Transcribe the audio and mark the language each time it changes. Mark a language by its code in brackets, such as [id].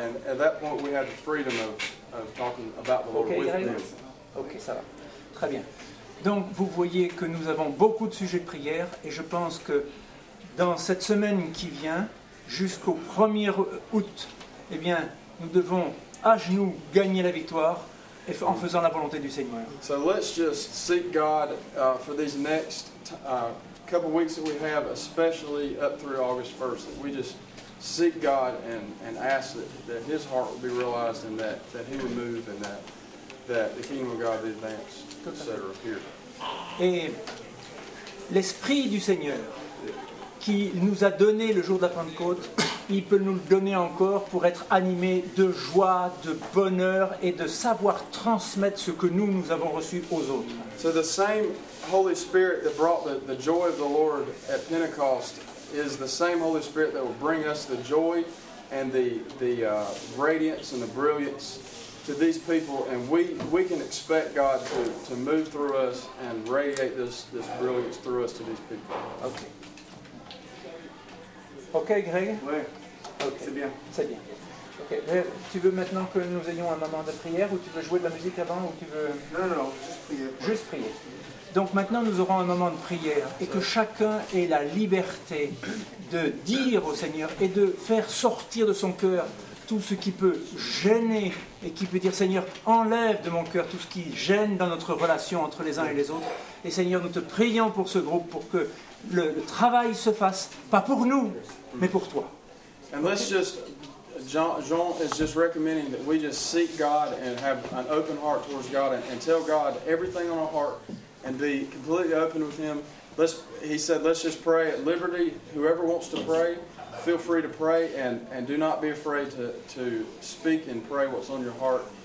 [en] And at that point, we have the freedom of talking about the Lord okay, with them. [fr] Ok, ça va. Très bien. Donc, vous voyez que nous avons beaucoup de sujets de prière, et je pense que dans cette semaine qui vient, jusqu'au 1er août, eh bien, nous devons à genoux gagner la victoire en faisant la volonté du Seigneur. [en] So let's just seek God for these next couple weeks that we have, especially up through August 1st, that we just seek God and ask that His heart will be realized and that He would move and that the kingdom of God be advanced, etc. Here. [fr] Et l'esprit du Seigneur. qui nous a donné le jour de la Pentecôte, il peut nous le donner encore pour être animé de joie, de bonheur et de savoir transmettre ce que nous, nous avons reçu aux autres. [en] So the same Holy Spirit that brought the joy of the Lord at Pentecost is the same Holy Spirit that will bring us the joy and the radiance and the brilliance to these people, and we can expect God to move through us and radiate this brilliance through us to these people. Okay. Ok, Greg. [fr] Oui. Okay. C'est bien. C'est bien. Ok. Greg, tu veux maintenant que nous ayons un moment de prière, ou tu veux jouer de la musique avant, ou tu veux... Non. Juste prier. Juste prier. Donc maintenant, nous aurons un moment de prière, et que chacun ait la liberté de dire au Seigneur et de faire sortir de son cœur tout ce qui peut gêner et qui peut dire, Seigneur, enlève de mon cœur tout ce qui gêne dans notre relation entre les uns et les autres. Et Seigneur, nous te prions pour ce groupe, pour que le travail se fasse, pas pour nous, mais pour toi. [en] And let's just, Jean is just recommending that we just seek God and have an open heart towards God and tell God everything on our heart and be completely open with Him. He said, let's just pray at liberty. Whoever wants to pray, feel free to pray and do not be afraid to speak and pray what's on your heart.